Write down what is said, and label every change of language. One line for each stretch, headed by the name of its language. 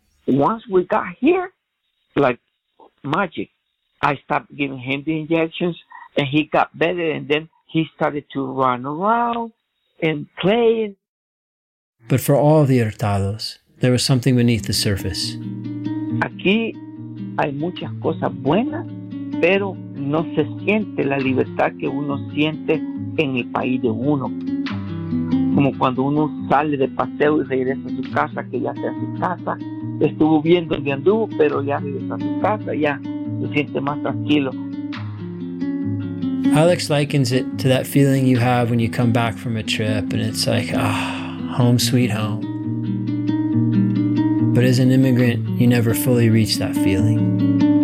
English: Once we got here, like magic, I stopped giving him the injections and he got better. And then he started to run around and play. But for all the Hurtados, there was something beneath the surface.
Spanish: Aquí hay muchas cosas buenas pero no se siente la libertad que uno siente en el país de uno. Como cuando uno sale de paseo y regresa a su casa, que ya sea su casa, estuvo bien donde anduvo, pero ya regresa a su casa, ya se siente más tranquilo.
English: Alex likens it to that feeling you have when you come back from a trip and it's like, ah, home sweet home. But as an immigrant, you never fully reach that feeling.